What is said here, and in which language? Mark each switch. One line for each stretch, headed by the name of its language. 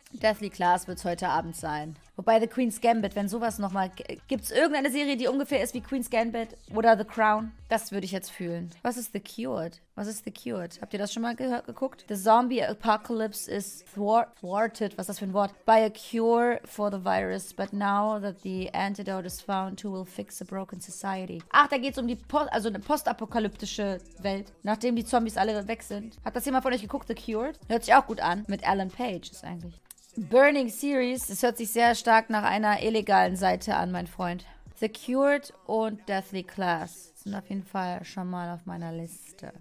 German: Deathly Class wird es heute Abend sein. Wobei The Queen's Gambit, wenn sowas nochmal... Gibt es irgendeine Serie, die ungefähr ist wie Queen's Gambit oder The Crown? Das würde ich jetzt fühlen. Was ist The Cured? Was ist The Cured? Habt ihr das schon mal geguckt?
English: The Zombie Apocalypse is thwarted,
German: was ist das für ein Wort?
English: By a cure for the virus, but now that the antidote is found, who will fix a broken society?
German: Ach, da geht es um die eine postapokalyptische Welt, nachdem die Zombies alle weg sind. Hat das jemand von euch geguckt, The Cured? Hört sich auch gut an, mit Alan Page ist eigentlich... Burning Series, das hört sich sehr stark nach einer illegalen Seite an, mein Freund. The Cured und Deathly Class sind auf jeden Fall schon mal auf meiner Liste.